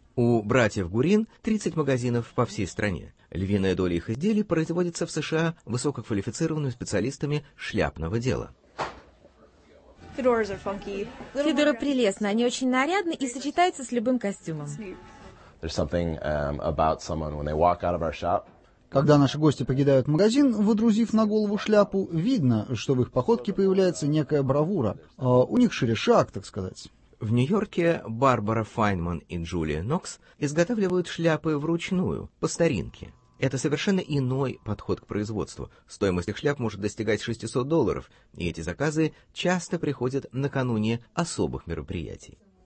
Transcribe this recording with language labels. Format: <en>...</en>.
<ru>У братьев Гурин 30 магазинов по всей стране. Львиная доля их изделий производится в США высококвалифицированными специалистами шляпного дела. Федора прелестна, они очень нарядны и сочетаются с любым костюмом.</ru> <en>There's something about someone when they walk out of our shop.</en> <ru>Когда наши гости покидают магазин, водрузив на голову шляпу, видно, что в их походке появляется некая бравура. У них шире шаг, так сказать. В Нью-Йорке Барбара Файнман и Джулия Нокс изготавливают шляпы вручную, по старинке. Это совершенно иной подход к производству. Стоимость их шляп может достигать $600, и эти заказы часто приходят накануне особых мероприятий.</ru>